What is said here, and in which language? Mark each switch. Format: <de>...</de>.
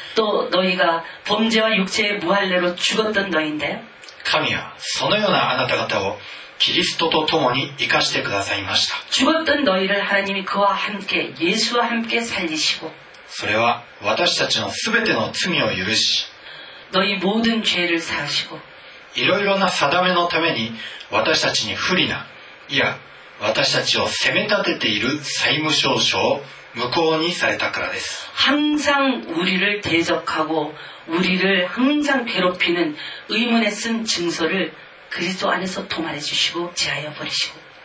<ko>또너희가범죄와육체의무할례로죽었던너희인데</ko> <ja>神はそのようなあなた方をキリストと共に生かしてくださいました。</ja> <ko>죽었던너희를하나님이그와함께예수와함께살리시고</ko> <ja>それは私たちのすべての罪を許し</ja> <ko>너희모든죄를사하시고</ko> <ja>いろいろな定めのために私たちに不利ないや私たちを責め立てている債務証書を無効にされたからです。</ja> <ko>항상우리를대적하고우리를항상괴롭히는의문에쓴증서를그리스도안에서도말해주시고제하여버리시고</ko>